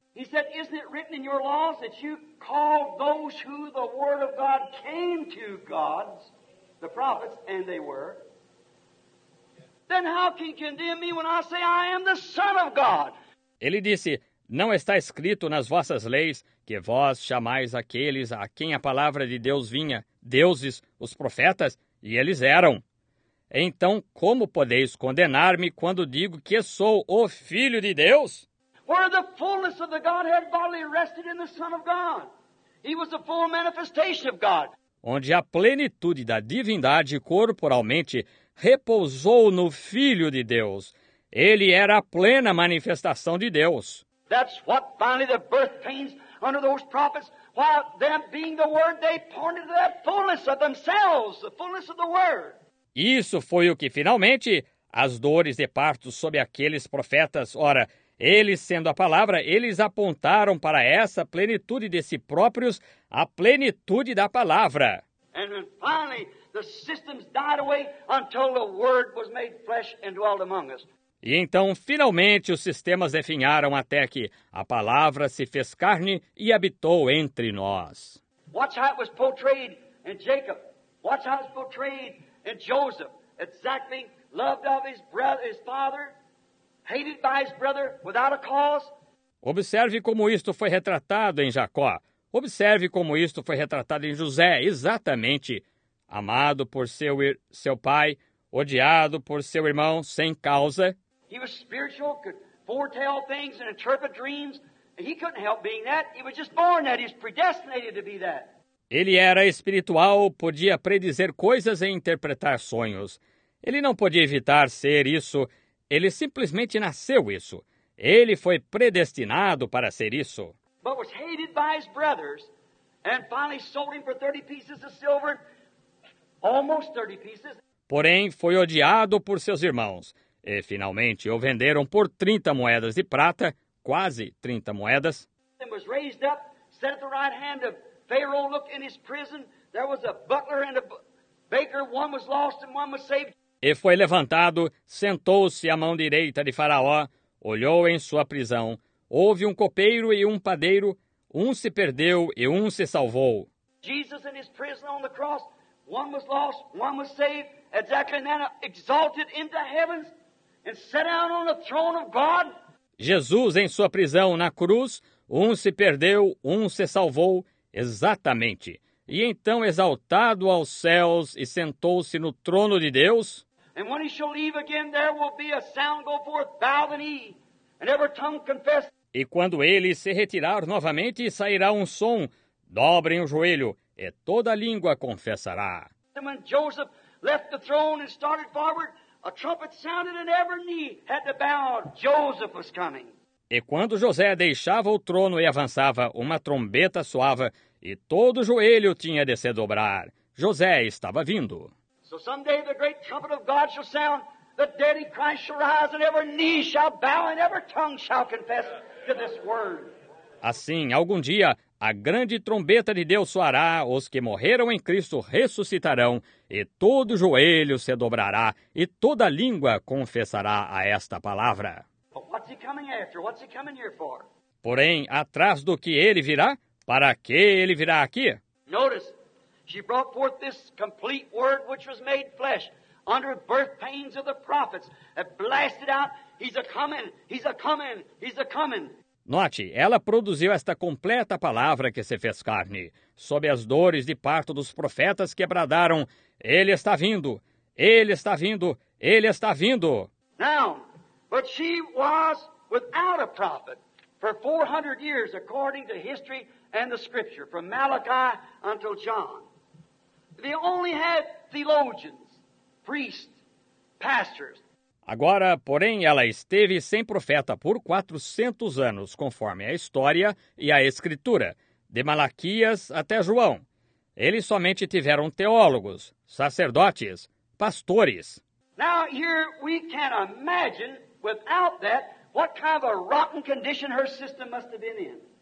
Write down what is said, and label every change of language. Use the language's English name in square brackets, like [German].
[English] He said, isn't it written in your laws that you call those who the word of God came to gods, the prophets, and they were? Then how can you condemn me when I say I am the Son of God? [Portuguese] Ele disse, não está escrito nas vossas leis que vós chamais aqueles a quem a palavra de Deus vinha, deuses, os profetas, e eles eram. Então, como podeis condenar-me quando digo que sou o Filho de Deus? [English] Where the fullness of the Godhead bodily rested in the Son of God. He was the full manifestation of God. [Portuguese] Onde a plenitude da divindade corporalmente repousou no Filho de Deus. Ele era a plena manifestação de Deus. [English] That's what finally the birth pains under those prophets, while them being the Word, they pointed to that fullness of themselves, the fullness of the Word. [Portuguese] Isso foi o que finalmente as dores de parto sob aqueles profetas, ora, eles sendo a palavra, eles apontaram para essa plenitude de si próprios, a plenitude da palavra. [English] And then finally, the systems died away until the Word was made flesh and dwelt among us. [Portuguese] E então, finalmente, os sistemas definharam até que a palavra se fez carne e habitou entre nós. [English] Watch how it was portrayed in Jacob. Watch how it was portrayed in Joseph. Exactly loved of his brother, his father, hated by his brother without a cause. [Portuguese] Observe como isto foi retratado em Jacó. Observe como isto foi retratado em José, exatamente. Amado por seu pai, odiado por seu irmão, sem causa. [English] He was spiritual, could foretell things and interpret dreams. He couldn't help being that. He was just born that. He's predestinated to be that. [Portuguese] Ele era espiritual, podia predizer coisas e interpretar sonhos. Ele não podia evitar ser isso. Ele simplesmente nasceu isso. Ele foi predestinado para ser isso. [English] But was hated by his brothers and finally sold him for 30 pieces of silver, almost 30 pieces. [Portuguese] Porém, foi odiado por seus irmãos. E, finalmente, o venderam por 30 moedas de prata, quase 30 moedas. [English] And was raised up, set at the right hand of Pharaoh, looked in his prison. There was a butler and a baker. One was lost and one was saved. [Portuguese] E foi levantado, sentou-se à mão direita de Faraó, olhou em sua prisão. Houve um copeiro e um padeiro. Um se perdeu e um se salvou. [English] Jesus in his prison on the cross. One was lost, one was saved. Exactly, and then exalted into heavens and set down on the throne of God. [Portuguese] Jesus, em sua prisão na cruz, um se perdeu, um se salvou, exatamente. E então exaltado aos céus e sentou-se no trono de Deus. [English] And when he shall leave again, there will be a sound go forth, bow the knee, and every tongue confess. [Portuguese] E quando ele se retirar novamente, sairá um som, dobrem o joelho, e toda a língua confessará. [English] And when Joseph left the throne and started forward, a trumpet sounded and every knee had to bow. Joseph was coming. [Portuguese] E quando José deixava o trono e avançava, uma trombeta soava e todo o joelho tinha de se dobrar. José estava vindo. [English] So someday the great trumpet of God shall sound, the dead in Christ shall rise, and every knee shall bow, and every tongue shall confess to this word. [Portuguese] Assim, algum dia, a grande trombeta de Deus soará, os que morreram em Cristo ressuscitarão, e todo joelho se dobrará, e toda língua confessará a esta palavra. [English] What's he coming after? What's he coming here for? [Portuguese] Porém, atrás do que ele virá, para que ele virá aqui? [English] Notice, she brought forth this complete word which was made flesh, under birth pains of the prophets, and blasted out, he's a coming, he's a coming, he's a coming. [Portuguese] Note, ela produziu esta completa palavra que se fez carne, sob as dores de parto dos profetas que bradaram, ele está vindo, ele está vindo, ele está vindo. [English] Now, but she was without a prophet for 400 years, according to history and the scripture, from Malachi until John. They only had theologians, priests, pastors. [Portuguese] Agora, porém, ela esteve sem profeta por 400 anos, conforme a história e a escritura, de Malaquias até João. Eles somente tiveram teólogos, sacerdotes, pastores. [English] Now here we can imagine without that what kind of a rotten condition her system must have been in.